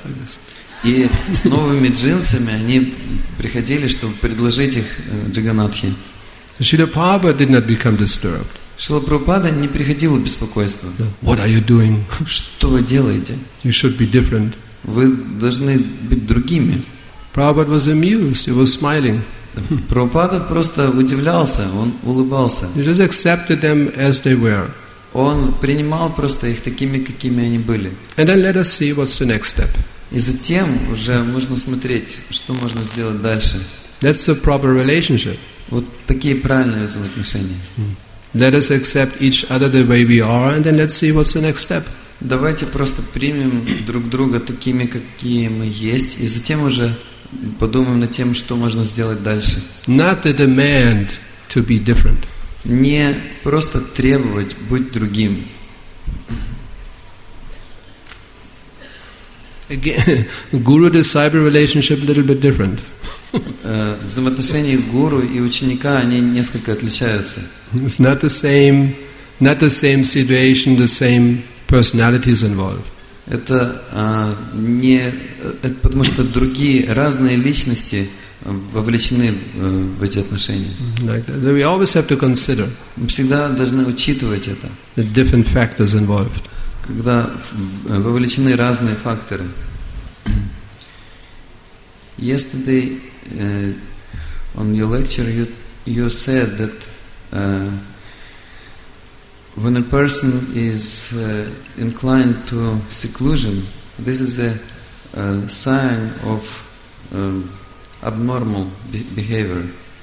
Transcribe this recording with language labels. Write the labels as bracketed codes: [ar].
[en] Like this. [ru] И с новыми джинсами они приходили, чтобы предложить их Джаганатхе. [en] Шрила Прабхупада did not become disturbed. [ru] Шрила Прабхупада не приходило беспокойство. [en] What are you doing? [ru] Что вы делаете? [en] You should be different. [ru] Вы должны быть другими. [en] Prabhupada was amused, he was smiling. [ru] Прабхупада просто удивлялся, он улыбался. [en] He just accepted them as they were. [ru] Он принимал просто их такими, какими они были. [en] And then let us see what's the next step. [ru] И затем уже можно смотреть, что можно сделать дальше. [en] That's the proper relationship. [ru] Вот такие правильные взаимоотношения. [en] Let us accept each other the way we are, and then let's see what's the next step. [ru] Давайте просто примем друг друга такими, какие мы есть, и затем уже подумаем над тем, что можно сделать дальше. [en] Not the demand to be different. [ru] Не просто требовать быть другим. [en] Guru-disciple relationship a little bit different. [ru] Взаимоотношения гуру и ученика они несколько отличаются. [en] It's not the same situation, the same personalities involved. [ru] Это не это потому что другие разные личности вовлечены в эти отношения. [en] Like that. So we always have to consider. [ru] Мы всегда должны учитывать это. [en] The different factors involved. [ru] Когда вовлечены разные факторы. [en] Yesterday, on your lecture, you said that when a person is inclined to seclusion, this is a sign of abnormal behavior.